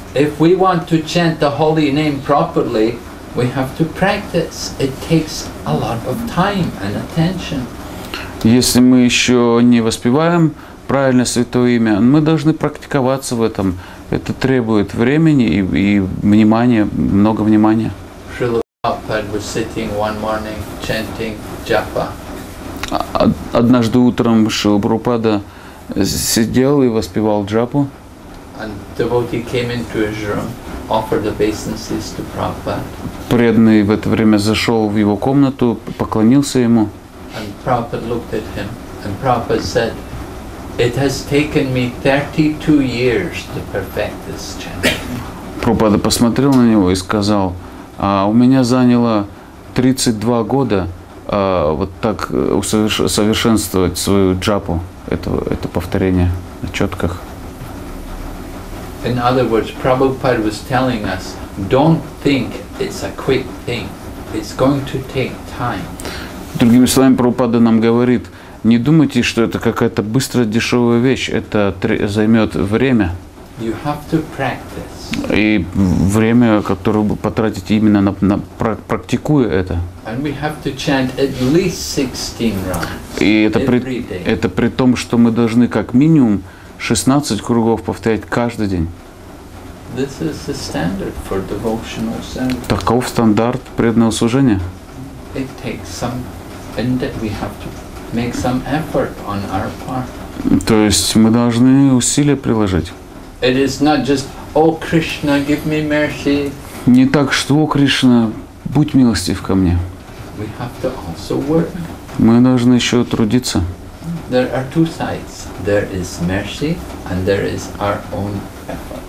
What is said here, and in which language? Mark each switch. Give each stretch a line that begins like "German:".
English: If we want to chant the holy name properly, we have to practice. It takes a lot of time and attention.
Russian: Если мы еще не воспеваем правильно святое имя, мы должны практиковаться в этом. Это требует времени и внимания, много внимания.
English: Srila Prabhupada was sitting one morning chanting japa.
Russian: Однажды утром Шрила Прабхупада сидел и воспевал джапу.
English: And devotee came into his room, offered obeisances to Prabhupada.
Russian: Преданный в это время зашел в его комнату, поклонился ему.
English: And Prabhupada looked at him, and Prabhupada said, it has taken me 32 years to perfect this chanting.
Russian: Прабхупада посмотрел на него и сказал: "А у меня заняло 32 года вот так совершенствовать свою джапу, это повторение на четках".
English: In other words, Prabhupada was telling us, don't think it's a quick thing. It's going to take time.
Russian: Другими словами, Прабхупада нам говорит: не думайте, что это какая-то быстрая, дешевая вещь. Это займет время.
English: You have to practice.
Russian: И время, которое вы потратите именно на практикуя это.
English: And we have to chant at least 16 rounds.
Russian: И это при том, что мы должны как минимум 16 кругов повторять каждый день.
English: This is the standard for devotional service.
Russian: Таков стандарт преданного служения.
English: It takes some, and we have to make some effort on our part.
Russian: То есть мы должны усилия приложить.
English: It is not just, О, Кришна, give me mercy.
Russian: Не так, что, О, Кришна, будь милостив ко мне.
English: We have to also work.
Russian: Мы должны еще трудиться.
English: There are two sides. There is mercy, and there is our own effort.